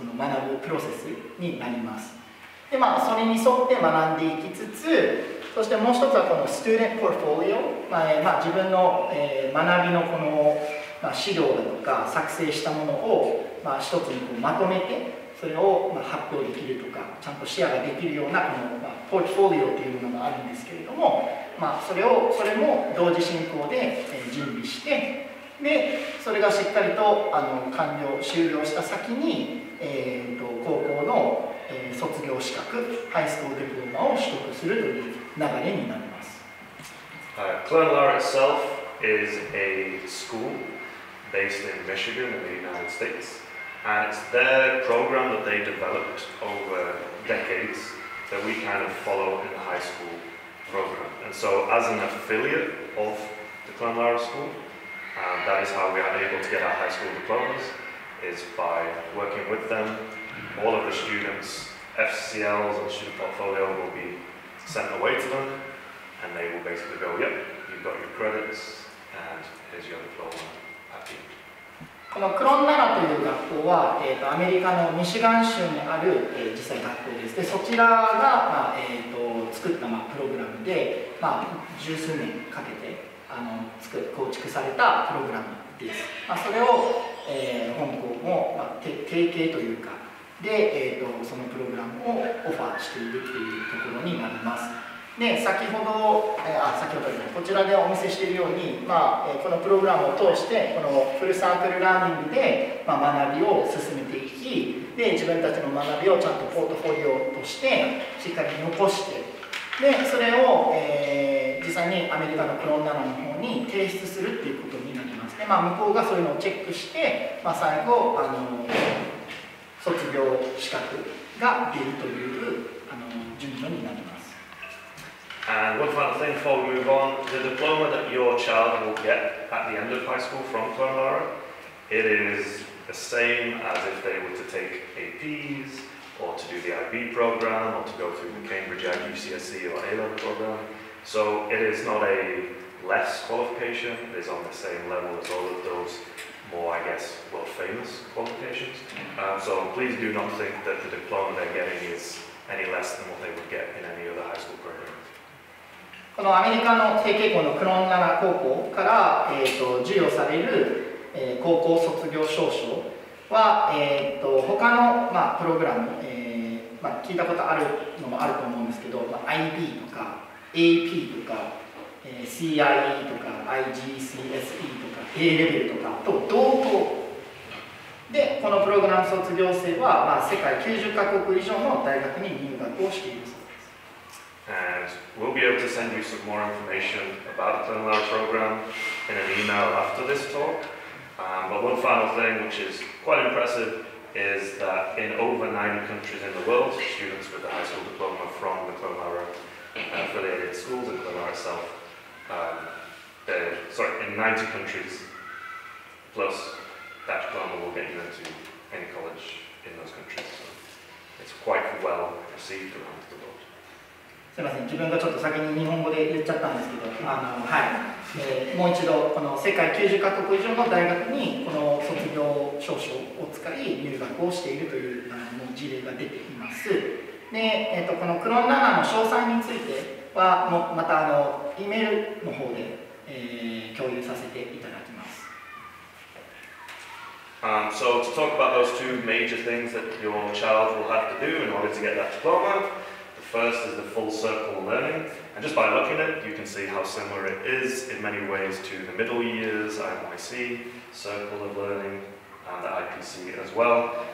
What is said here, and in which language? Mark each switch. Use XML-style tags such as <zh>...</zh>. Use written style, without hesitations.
<ja>この学ぶプロセスになります。で、まあ、それに沿って学んでいきつつ、そしてもう一つはこの Student Portfolio、まあまあ、自分の、学びのこの、まあ、資料だとか作成したものを、まあ、一つにこうまとめてそれを、まあ、発表できるとかちゃんとシェアができるようなこの、まあ、ポートフォリオというものがあるんですけれども、まあ、それも同時進行で、準備して、でそれがしっかりと完了終了した先に高校の、卒業資格、ハイスクールディプローマを取得するという流れになります。</ja> <en>Cum Laude itself is a school based in Michigan in the United States, and it's their program that they developed over decades that we kind of follow in the high school program. And so, as an affiliate of the Cum Laude School, that is how we are able to get our high school diplomas. Is by working with them. All of the students' FCLs and student portfolio will be sent away to them, and they will basically go, "Yep, you've got your credits, and here's your diploma at the end."</en> <ja>このクロンダラという学校は、アメリカのミシガン州にある、実際学校です。で、そちらが、まあ作った、まあ、プログラムで、まあ、十数年かけて構築されたプログラムです。まあ、それを本校も、まあ、提携というかで、そのプログラムをオファーしているというところになります。で先ほどこちらでお見せしているように、まあ、このプログラムを通してこのフルサークルラーニングで、まあ、学びを進めていき、で自分たちの学びをちゃんとポートフォリオとしてしっかり残して、でそれを、実際にアメリカのクロンダラの方に提出するっていうことになります。でまあ、向こうがそういうのをチェックして、まあ、最後卒業資格が出るという順序になります。</ja> <en>And one final thing before we move on, the diploma that your child will get at the end of high school from Cum Laude, it is the same as if they were to take APs or to do the IB program or to go through the Cambridge IGCSE or A-level program, so it is not aless qualification, is on the same level as all of those more, I guess, world famous qualifications. So please do not think that the diploma they're getting is any less than what they would get in any other high school program.</en> <ja>このアメリカの提携校のクロンダラ高校から、授与される、高校卒業証書は、他の、まあ、プログラム、まあ、聞いたことあるのもあると思うんですけど、まあ、IB とか AP とか CIE とか IGCSE とか A レベルとかと同等で、このプログラム卒業生は、まあ、世界90カ国以上の大学に入学をしているそうです。</ja> <en>And we'll be able to send you some more information about the Tenlar program in an email after this talk、but one final thing which is quite impressive is that in over 90 countries in the world, students with a high school diploma from the Tenlar affiliated schools in Tenlar itselfin 90 countries plus that diploma will get you into any college in those countries. So it's quite well received around the world.</en> <ja>すみません、自分がちょっと先に日本語で言っちゃったんですけど、はい、もう一度この世界90カ国以上の大学にこの卒業証書を使い入学をしているという事例が出ています。で、このクロンナナの詳細についてはもまたイメールの方で、共有させていただきます。</ja> <en>So to talk about those two major things that your child will have to do in order to get that diploma, the first is the full circle learning. And just by looking at it, you can see how similar it is in many ways to the middle years, IMYC, circle of learning, and the IPC as well.</en>